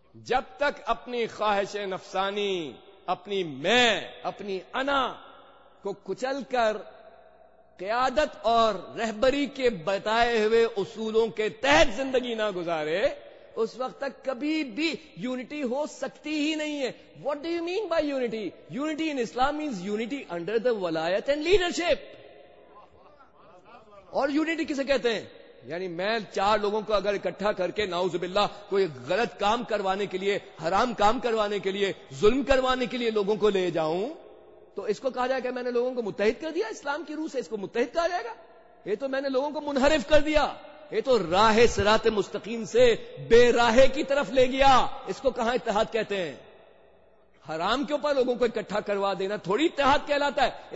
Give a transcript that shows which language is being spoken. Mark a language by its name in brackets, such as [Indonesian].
[Urdu] جب تک اپنی خواہش نفسانی, اپنی میں, اپنی انا کو کچل کر قیادت اور رہبری کے بتائے ہوئے اصولوں کے تحت زندگی نہ گزارے, اس وقت تک کبھی بھی یونٹی ہو سکتی ہی نہیں ہے. [English] What do you mean by unity? Unity in Islam means unity under the ولایت and leadership. [Urdu] اور یونٹی کسے کہتے ہیں؟ یعنی میں چار لوگوں کو اگر اکٹھا کر کے نعوذ باللہ کوئی غلط کام کروانے کے لیے, حرام کام کروانے کے لیے, ظلم کروانے کے لیے لوگوں کو لے جاؤں, تو اس کو کہا جائے کہ میں نے لوگوں کو متحد کر دیا؟ اسلام کی روح سے اس کو متحد کہا جائے گا؟ یہ تو میں نے لوگوں کو منحرف کر دیا, یہ تو راہ صراط مستقیم سے بے راہ کی طرف لے گیا, اس کو کہاں اتحاد کہتے ہیں؟ حرام کے اوپر لوگوں کو اکٹھا کروا دینا تھوڑی اتحاد کہلاتا ہے.